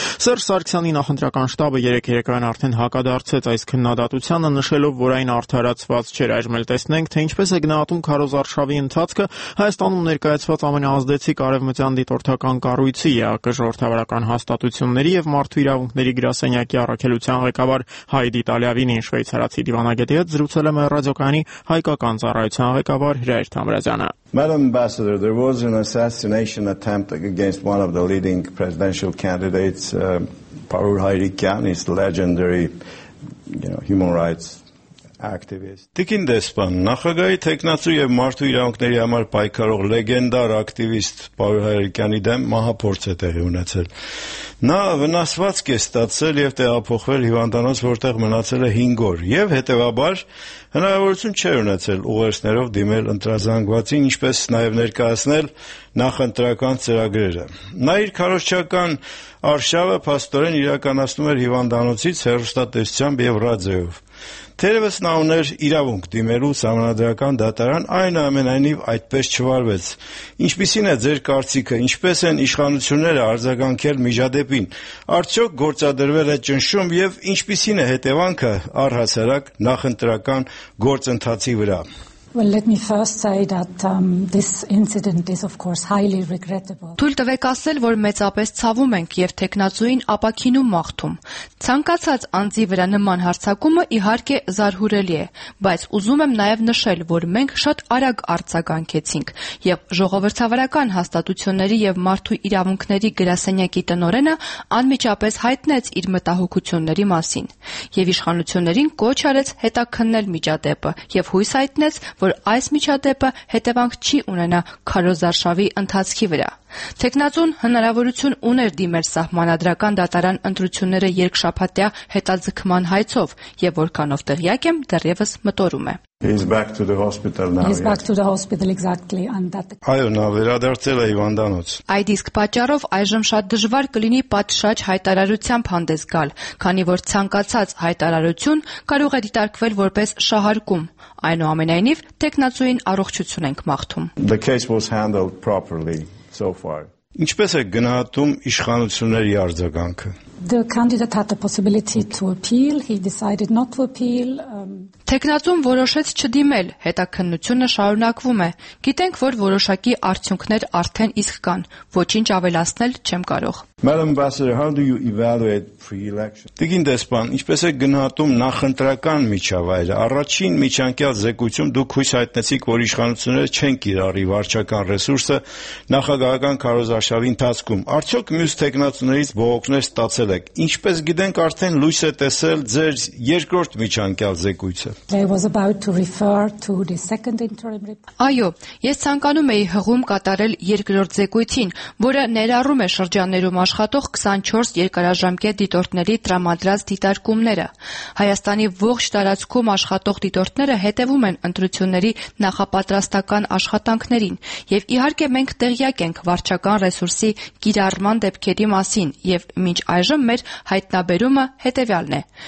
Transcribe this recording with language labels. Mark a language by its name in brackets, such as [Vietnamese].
[Armenian] Սերժ Սարգսյանի նախընտրական շտաբը 3-3-ին արդեն հակադարձեց այս քննադատությանը, նշելով, որ այն արդարացված չէր, այժմել տեսնենք, թե ինչպես է գնահատում Քարոզ Արշավի ընթացքը Հայաստանում ներկայացված ամենազդեցիկ արևմտյան դիտորդական կառույցի ԵԱԿ-ի ժողովրդավարական հաստատությունների և մարդու իրավունքների գրասենյակի առաքելության ղեկավար Հայդի Տալյավինին, շվեյցարացի դիվանագետի հետ զրուցել եմ ռադիոկայանի հայկական ծառայության ղեկավար Հրայր Թամրազյանը։ [English] Madam Ambassador, there was an assassination attempt against one of the leading presidential candidates, Parur Hayrikyan, his legendary, you know, human rights activist. [Armenian] Տիկին դեսպան, նախագահի թեկնածու և մարդու իրավունքների համար պայքարող լեգենդար ակտիվիստ Պարուհ Հայրիկյանի դեմ մահապործ է տեղի ունեցել։ Նա վնասվածք է ստացել և տեղափոխվել հիվանդանոց, որտեղ մնացել է 5 օր, և հետևաբար հնարավորություն չէր ունեցել ուղերձներով դիմել ընտրազանգվածին, ինչպես նաև ներկայացնել նախընտրական ծրագրերը։ Նա իր քարոշչական արշավը փաստորեն իրականացնում էր հիվանդանոցից հեռուստատեսությամբ և ռադիոյով։ Թերևս նա ուներ իրավունք դիմելու սահմանադրական դատարան, այնուամենայնիվ այդպես չվարվեց։ Ինչպիսին է ձեր կարծիքը, ինչպես են իշխանությունները արձագանքել միջադեպին, արդյոք գործադրվել է ճնշում և ինչպիսին է հետևանքը առհասարակ նախընտրական գործընթացի վրա։ [English] Well, let me first say that this incident is of course highly regrettable. [Armenian] Թույլ տվեք ասել, որ մեծապես ցավում ենք եւ տեխնացուին ապակինում մաղթում։ Ցանկացած անձի վրա նման հարցակումը իհարկե զարհուրելի է, բայց ուզում եմ նաեւ նշել, որ մենք շատ արագ արձագանքեցինք եւ ժողովրդավարական հաստատությունների եւ մարդու իրավունքների գրասենյակի տնօրենը անմիջապես հայտնեց իր մտահոգությունների մասին եւ իշխանություններին կոչ արեց հետաքննել միջադեպը եւ հույս հայտնեց որ այս միջադեպը հետևանք չի ունենա քարոզարշավի ընթացքի վրա։ Տեխնացուն հնարավորություն ուներ դիմել սահմանադրական դատարան ընտրությունները երկշաբաթյա հետաձգման հայցով, եւ որքանով տեղյակ եմ, դեռևս մտորում է։ [English] He's back to the hospital now. He's back to the hospital exactly and that. [Armenian] Այո, նա վերադարձել է հիվանդանոց։ Այդ իսկ պատճառով այժմ շատ դժվար կլինի պատշաճ հայտարարությամբ հանդես գալ, քանի որ ցանկացած հայտարարություն կարող է դիտարկվել որպես շահարկում։ Այնուամենայնիվ, տեխնացուին առողջություն ենք մաղթում։ [English] The case was handled properly. So far. [Armenian] Ինչպես է գնահատում իշխանությունների արձագանքը? [English] The candidate had the possibility to appeal. He decided not to appeal. [Armenian] Տեխնացուն որոշեց չդիմել, հետաքննությունը շարունակվում է։ Գիտենք, որ որոշակի արդյունքներ արդեն իսկ կան, ոչինչ ավելացնել չեմ կարող։ [English] Madam Ambassador, how do you evaluate pre-election? [Armenian] Դիգին դեսպան, ինչպես եք գնահատում նախընտրական միջավայրը, առաջին միջանկյալ զեկույցում դուք հույս հայտնեցիք, որ իշխանությունները չեն կիրառի վարչական ռեսուրսը նախագահական քարոզարշավի ընթացքում, արդյոք մյուս տեխնացուներից բողոքներ ստացել եք, ինչպես գիտենք արդեն լույս է տեսել ձեր երկրորդ միջանկյալ զեկույցը։ [English] I was about to refer to the second interim report. [Armenian] Այո, ես ցանկանում էի հղում կատարել երկրորդ զեկույցին, որը ներառում է շրջաններում աշխատող 24 երկարաժամկետ դիտորդների տրամադրած դիտարկումները։ Հայաստանի ողջ տարածքում աշխատող դիտորդները հետևում են ընտրությունների նախապատրաստական աշխատանքներին, եւ իհարկե մենք տեղյակ ենք վարչական ռեսուրսի կիրառման դեպքերի մասին, եւ մինչ այժմ մեր հայտնաբերումը հետեւյալն է.